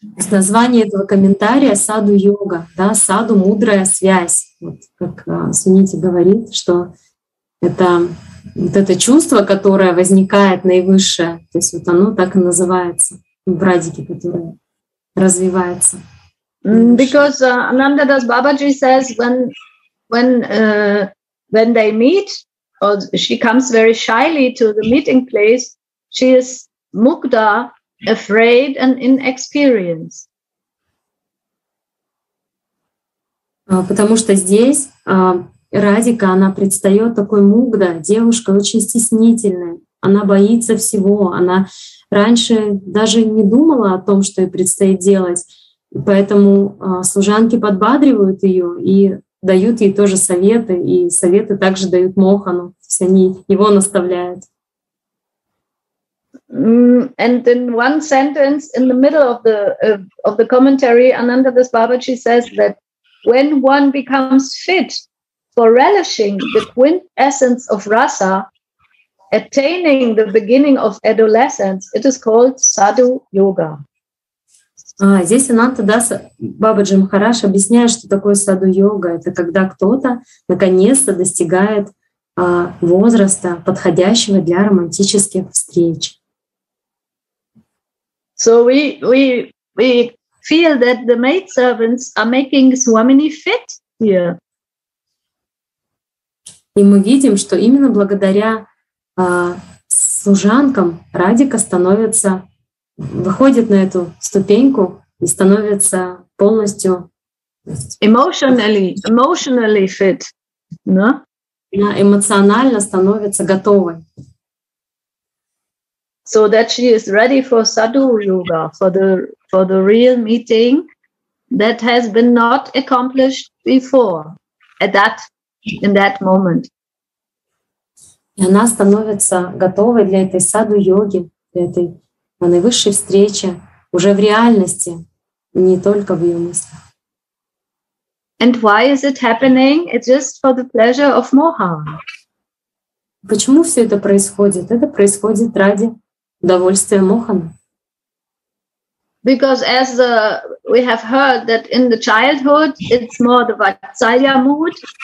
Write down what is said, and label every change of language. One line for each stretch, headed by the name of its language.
Russian: Название этого комментария Саду Йога, да, Саду мудрая связь. Вот как Суните говорит, что это вот это чувство, которое возникает наивысшее, то есть вот оно так и называется в Радике, которое развивается.
English: Because Ananda Das Babaji says when they meet, or she comes very shyly to the meeting place, she is mukta, afraid and inexperienced.
Russian: Потому что здесь Радика, она предстает такой мукда, девушка очень стеснительная, она боится всего, она раньше даже не думала о том, что ей предстоит делать, поэтому служанки подбадривают ее и дают ей тоже советы, и советы также дают Мохану, то есть они его наставляют.
English: And in one sentence, in the middle of the commentary, Ananda Das Babaji says that when one becomes fit for relishing the quintessence of rasa, attaining the beginning of adolescence, it is called sadhu yoga.
Russian: Здесь Ананта Даса Бабаджи Махараш объясняет, что такое саду йога. Это когда кто-то наконец-то достигает возраста, подходящего для романтических встреч.
English: So we feel that the maidservants are making Swamini fit here.
Russian: И мы видим, что именно благодаря служанкам Радика становится, выходит на эту ступеньку и становится полностью
English: emotionally fit, no?
Russian: Она эмоционально становится готовой.
English: So that she is ready for sadhu yoga, for the real meeting that has been not accomplished before in that moment.
Russian: И она становится готовой для этой саду-йоги, для этой наивысшей встречи уже в реальности, не только в ее мыслях.
English: And why is it happening? It's just for the pleasure of Mohan.
Russian: Почему все это происходит? Это происходит ради удовольствия Мохана.
English: Because as we have heard that in the childhood it's more the Vatsalya mood.